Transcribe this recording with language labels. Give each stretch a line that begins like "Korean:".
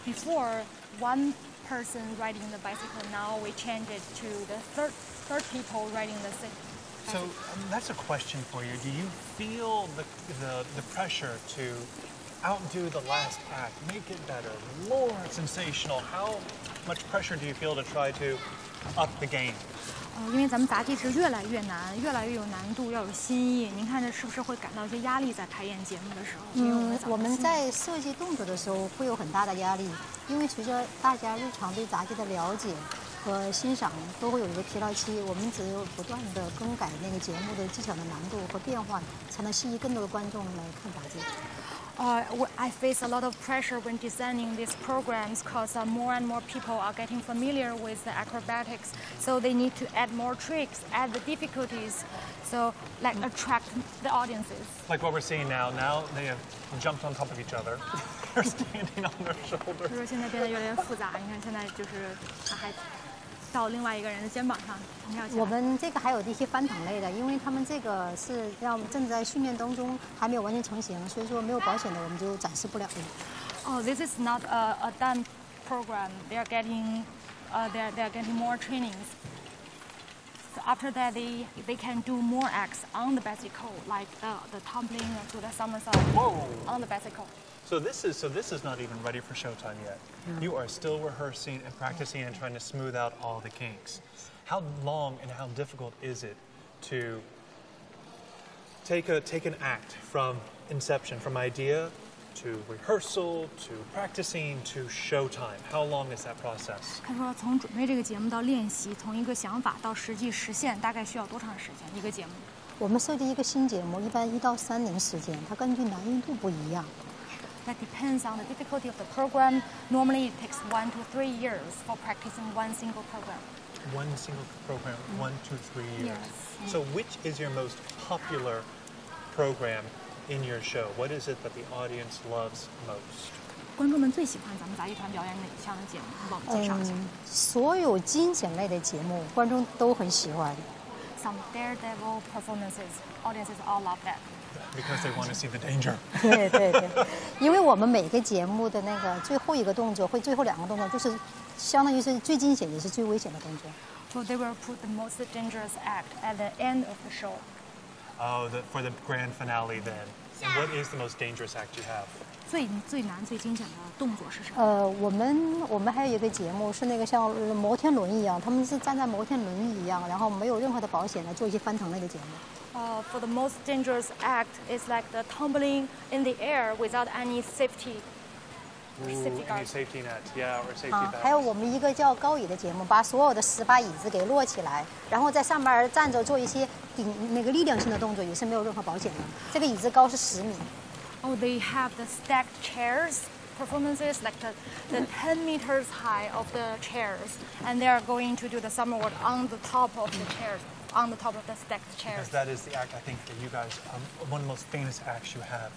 English: Before, one person riding the bicycle, now we change it to the third people riding the bicycle. So that's a question for you. Do you feel the pressure to outdo the last act, make it better, more sensational. How much pressure do you feel to try to up the game?
Chinese: 因为咱们答题是越来越难，越来越有难度，要有新意。您看，这是不是会感到一些压力在排演节目的时候？我们在设计动作的时候会有很大的压力，因为随着大家日常对杂技的了解和欣赏，都会有一个疲劳期。我们只有不断的更改那个节目的技巧的难度和变化，才能吸引更多的观众来看杂技。
English: I face a lot of pressure when designing these programs because more and more people are getting familiar with the acrobatics, so they need to add more tricks, add the difficulties, so like attract the audiences. Like what we're seeing now, now they have jumped on top of each other. They're standing on their shoulders.
Chinese: 就是现在变得越来越复杂，你看现在就是他还到另外一个人的肩膀上跳起来。我们这个还有一些翻腾类的，因为他们这个是要正在训练当中，还没有完全成型，所以说没有保险的我们就展示不了。
English: This is not a done program. They are getting, they are getting more trainings. So after that, they can do more acts on the bicycle, like the tumbling to the somersault. Whoa! On the bicycle. So this is not even ready for showtime yet. Mm-hmm. You are still rehearsing and practicing and trying to smooth out all the kinks. How long and how difficult is it to take an act from inception, from idea to rehearsal to practicing to showtime? How long is that process?
Chinese: 他说从准备这个节目到练习，从一个想法到实际实现，大概需要多长时间一个节目？我们设计一个新节目，一般一到三年时间，它根据难易度不一样。
English: That depends on the difficulty of the program. Normally, it takes 1 to 3 years for practicing one single program. One single program, one to three years. Yes. So which is your most popular program in your show? What is it that the audience loves most?
Chinese: 观众们最喜欢咱们杂技团表演哪一项的节目？帮我们介绍一下。所有惊险类的节目，观众都很喜欢。
English: Some daredevil performances, audiences all love that. Because they want to see the danger.
Chinese: 对，因为我们每个节目的那个最后一个动作，会最后两个动作，就是相当于是最惊险也是最危险的动作。
English: So they will put the most dangerous act at the end of the show. Oh, for the grand finale then. And what is the most dangerous act you have?
Chinese: 最难最惊险的动作是什么？我们还有一个节目是那个像摩天轮一样，他们是站在摩天轮一样，然后没有任何的保险来做一些翻腾类的节目。
English: For the most dangerous act, it's like the tumbling in the air without any safety. Any safety net, yeah, or safety belt.
Chinese: 还有我们一个叫高椅的节目，把所有的十把椅子给摞起来，然后在上面站着做一些顶那个力量性的动作，也是没有任何保险的。这个椅子高是十米。
English: Oh, they have the stacked chairs performances, like the 10 meters high of the chairs, and they are going to do the somersault on the top of the chairs. On the top of the stacked chairs. Because that is the act, I think, that you guys, one of the most famous acts you have.